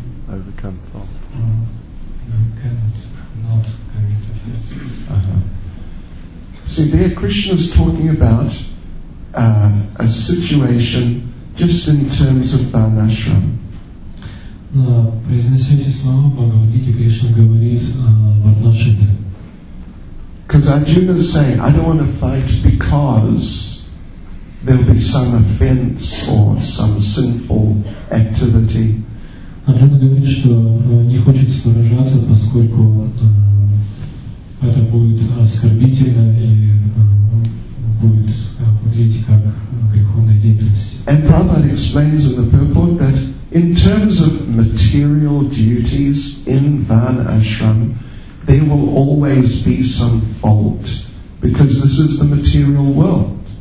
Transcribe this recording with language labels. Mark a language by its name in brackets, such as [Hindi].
[English] overcome fault. We cannot not commit offenses. See, there Krishna is talking about a situation just in terms of Varnashram. [Russian] No, произнеси эти слова, Бхагавадгите Кришна говорит в отношении. [English] Because Arjuna is saying, I don't want to fight because there'll be some offense or some sinful activity. [Russian] Arjuna говорит, что не хочет сражаться, поскольку это будет оскорбительно и будет выглядеть как греховная деятельность. [English] And Prabhupada explains in the purport that in terms of material duties in Varnashram, there will always be some fault, because this is the material world.